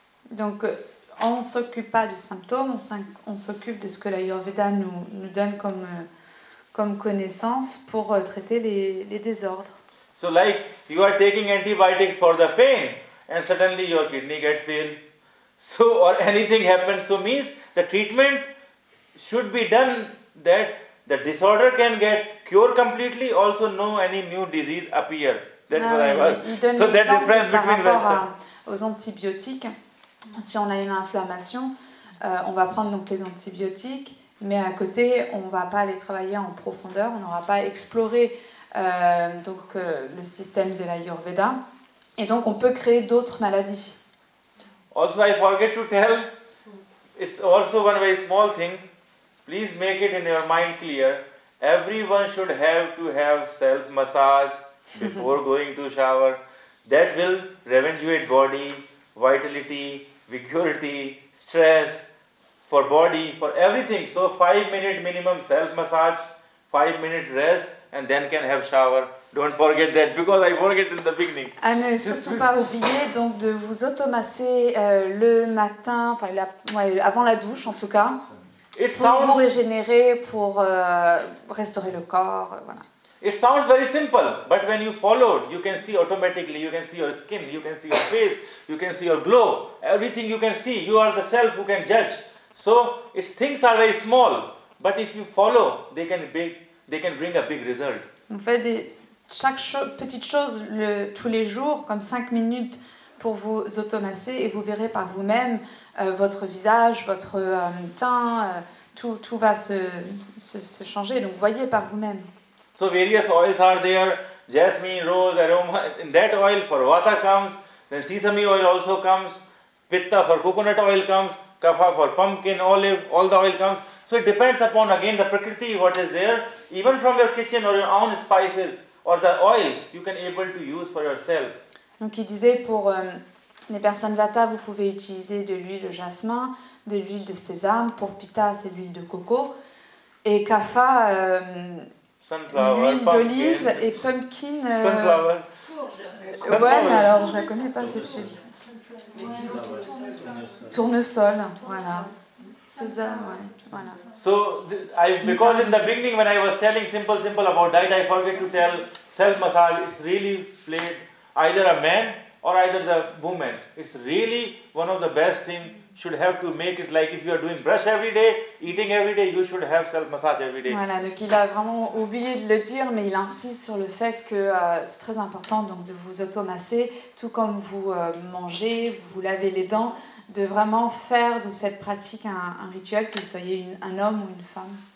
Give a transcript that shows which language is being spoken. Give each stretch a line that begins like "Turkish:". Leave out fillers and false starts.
French: Donc on ne s'occupe pas du symptôme, on s'occupe de ce que l'Ayurveda nous donne comme connaissance pour traiter les désordres.
English: So like you are taking antibiotics for the pain, and suddenly your kidney gets failed. So, or anything happens, so means the treatment should be done that the disorder can get cured completely, also no any new disease appear. That's what I was. So that difference between Western.
French: Aux antibiotiques, si on a une inflammation, on va prendre donc les antibiotiques, mais à côté, on va pas aller travailler en profondeur, on n'aura pas exploré le système de l'Ayurveda. Et donc, on peut créer d'autres maladies.
English: Also, I forget to tell, it's also one very small thing. Please make it in your mind clear. Everyone should have to have self-massage before going to shower. That will rejuvenate body, vitality, vigority, stress, for body, for everything. So 5 minute minimum self-massage, 5 minute rest, and then can have shower. Don't forget that, because I forget in the beginning.
French: Ah, ne surtout pas oublier donc de vous automasser le matin, enfin la, ouais, avant la douche en tout cas,
English: it
French: pour
English: sounds,
French: vous régénérer, pour restaurer le corps, voilà.
English: It sounds very simple, but when you follow, you can see automatically, you can see your skin, you can see your face, you can see your glow, everything you can see, you are the self who can judge. So it's, things are very small, but if you follow, they can bring a big result.
French: En fait, chaque petite chose le, tous les jours, comme 5 minutes pour vous automasser, et vous verrez par vous-même votre visage, votre teint, tout va se changer. Donc voyez par vous-même.
English: So various oils are there, jasmine, rose, aroma, in that oil for vata comes, then sesame oil also comes, pitta for coconut oil comes, kapha for pumpkin, olive, all the oil comes. So it depends upon again the prakriti, what is there, even from your kitchen or your own spices, or the oil you can able to use for yourself.
French: Donc il disait pour les personnes vata, vous pouvez utiliser de l'huile de jasmin, de l'huile de sésame, pour pitta c'est l'huile de coco, et kapha...
English: Sunflower,
French: l'huile d'olive pumpkin. Et pumpkin.
English: Sunflower.
French: Ouais, mais alors je ne connais pas cette huile. Tournesol. Voilà. Sésame, ouais. Voilà.
English: So, because in the beginning when I was telling simple about diet, I forget to tell self massage. It's really played either a man or either the woman. It's really one of the best thing. Should have to make it like if you are doing brush every day, eating every day, you should have self massage every day.
French: Voilà, donc il a vraiment oublié de le dire, mais il insiste sur le fait que c'est très important donc de vous automasser, tout comme vous mangez, vous lavez les dents, de vraiment faire de cette pratique un rituel, que vous soyez un homme ou une femme.